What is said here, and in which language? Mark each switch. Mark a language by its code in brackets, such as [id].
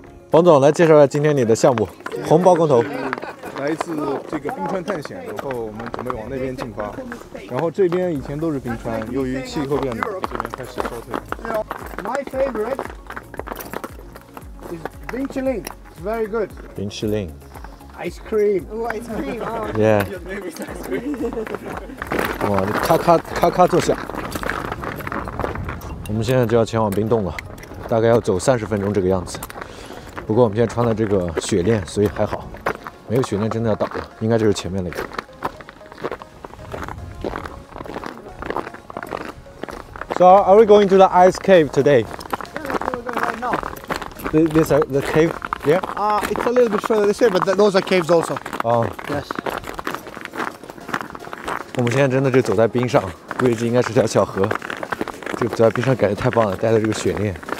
[zh] 王总，来介绍一下今天你的项目，红包工头。来自这个冰川探险，然后我们准备往那边进发。然后这边以前都是冰川，由于气候变暖，这边开始消退。 [en] My favorite is Michelin. It's very good. Michelin. Ice cream. Oh, ice cream. Yeah. [zh] 哇，咔咔咔咔作响。我们现在就要前往冰洞了，大概要走30分钟这个样子。不过我们现在穿了这个雪链，所以还好，没有雪链真的要倒了，应该就是前面那个。 [en] So are we going to the ice cave today? Yeah, right now. This the cave there? It's a little bit further this way, but those are caves also. Yes. [zh] 我们现在真的就走在冰上，估计应该是条小河。这个走在冰上感觉太棒了，带着这个雪链。